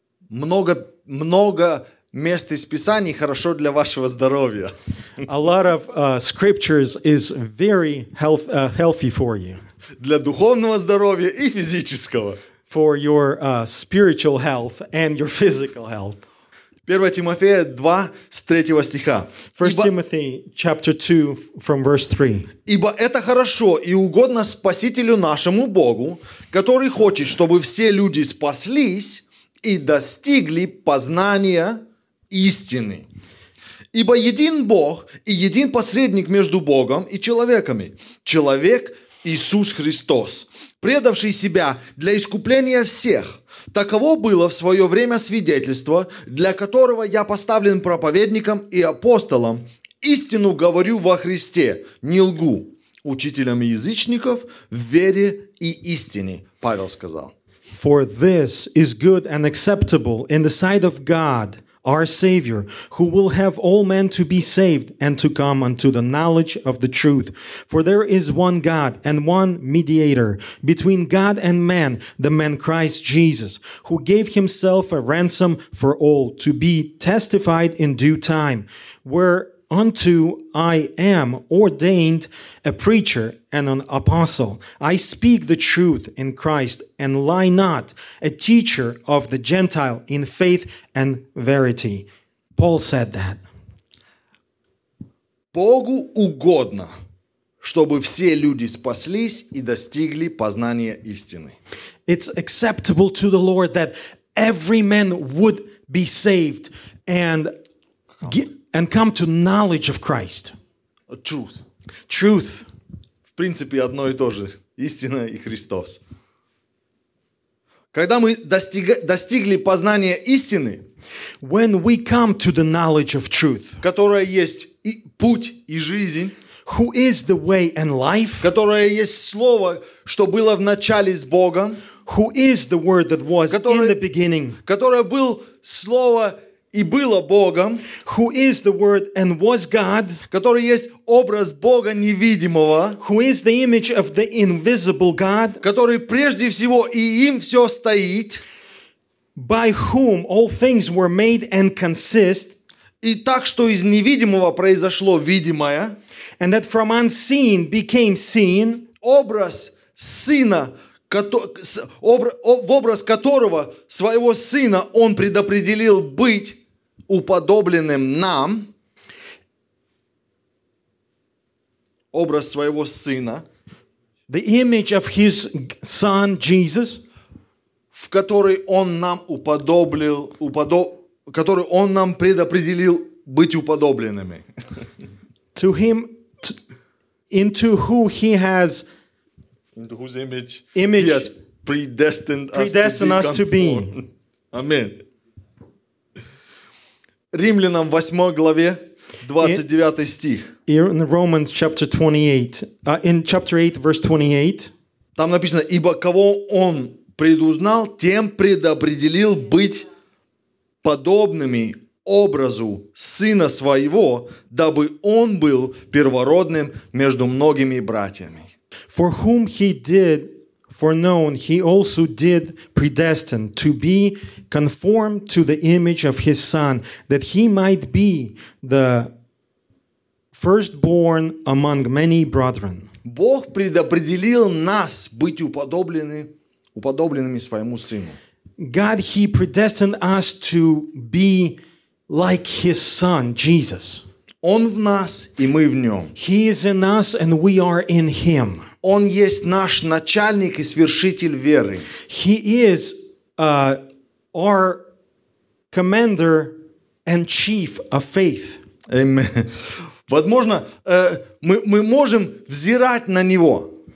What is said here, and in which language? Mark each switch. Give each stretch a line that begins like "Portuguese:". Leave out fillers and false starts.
Russian: Много мест из Писаний хорошо для вашего здоровья.
English: A lot of scriptures is very healthy for you.
Russian: Для духовного здоровья и физического.
English: For your spiritual health and your physical health.
Russian: 1 Тимофея 2, с 3 стиха.
English: 1 Timothy chapter 2, from verse 3.
Russian: «Ибо это хорошо и угодно Спасителю нашему Богу, который хочет, чтобы все люди спаслись и достигли познания истины. Ибо един Бог и един посредник между Богом и человеками, человек Иисус Христос, предавший себя для искупления всех». Таково было в свое время свидетельство, для которого я поставлен проповедником и апостолом. Истину говорю во Христе, не лгу, учителям язычников в вере и истине, Павел сказал.
English: For this is good and acceptable in the sight of God, our Savior, who will have all men to be saved and to come unto the knowledge of the truth. For there is one God and one mediator between God and man, the man Christ Jesus, who gave himself a ransom for all to be testified in due time. Whereunto I am ordained a preacher and an apostle. I speak the truth in Christ and lie not, a teacher of the Gentile in faith and verity. Paul said that.
Russian: Богу угодно, чтобы все люди спаслись и достигли познания истины.
English: It's acceptable to the Lord that every man would be saved and come to knowledge of Christ. Truth. Truth.
Russian: В принципе, одно и то же. Истина и Христос. Когда мы достигли познания истины,
English: when we come to the knowledge of truth,
Russian: которая есть и путь и жизнь,
English: who is the way and life,
Russian: которая есть слово, что было в начале с Богом,
English: who is the word that was in the beginning,
Russian: которое было слово и было Богом,
English: who is the Word and was God,
Russian: который есть образ Бога невидимого,
English: who is the image of the invisible God,
Russian: который прежде всего и им все стоит,
English: by whom all things were made and consist,
Russian: и так, что из невидимого произошло видимое,
English: and that from unseen became seen,
Russian: образ Сына, в образ которого своего Сына Он предопределил быть уподобленным нам, образ своего Сына,
English: the image of His Son Jesus,
Russian: в который Он нам уподоблил, который Он нам предопределил быть уподобленными.
English: To Him, into who He has, into whose image He has predestined us to be. Amen.
Russian: Римлянам 8 главе 29 стих.
English: In Romans chapter 28, in chapter 8, verse 28.
Russian: Там написано, ибо кого он предузнал, тем предопределил быть подобными образу сына своего, дабы он был первородным между многими братьями.
English: For whom he did foreknown, he also did predestined to be conformed to the image of his Son, that he might be the firstborn among many brethren.
Russian: Бог предопределил нас быть уподобленными своему Сыну.
English: God, he predestined us to be like his Son, Jesus.
Russian: Он в нас, и мы в нем.
English: He is in us, and we are in him.
Russian: Он есть наш начальник и свершитель веры.
English: He is our commander and chief of faith. Amen.
Russian: Возможно, мы можем взирать на него.